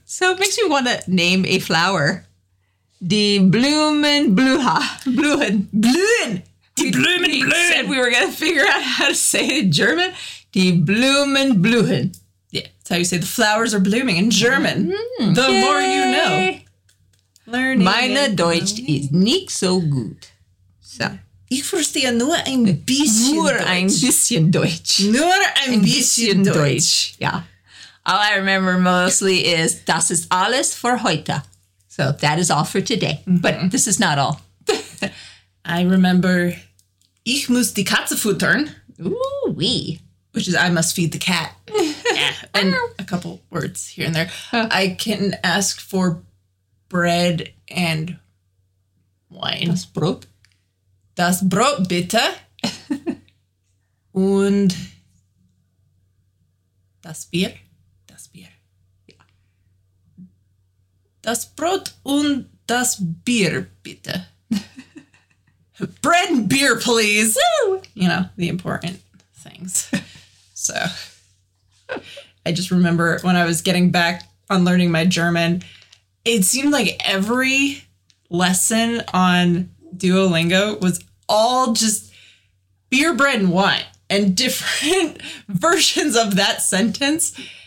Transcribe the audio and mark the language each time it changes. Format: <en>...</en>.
<en>So it makes me want to name a flower.</en> <de>Die Blumen Blüha. Blühen. Blühen. Die Blumen Blühen.</de> <en>We said we were going to figure out how to say it in German.</en> <de>Die Blumen Blühen.</de> <en>Yeah. That's how you say the flowers are blooming in German. Mm-hmm. The more you know. Learning.</en> <de>Meine Deutsch is nicht so gut.</de> <en>So.</en> <de>Ich verstehe nur ein bisschen Nur ein bisschen Deutsch. Nur ein bisschen Deutsch.</de> <en>Yeah. All I remember mostly is,</en> <de>das ist alles für heute.</de> <en>So that is all for today. Mm-hmm. But this is not all. I remember,</en> <de>ich muss die Katze füttern.</de> <en>Ooh, wee. Which is, I must feed the cat. Yeah. And a couple words here and there. I can ask for bread and wine.</en> <de>Das Brot, bitte. Und das Bier. Das Brot und das Bier, bitte.</de> <en>Bread and beer, please. Woo! You know, the important things. So, I just remember when I was getting back on learning my German, it seemed like every lesson on Duolingo was all just beer, bread, and wine, and different versions of that sentence.</en>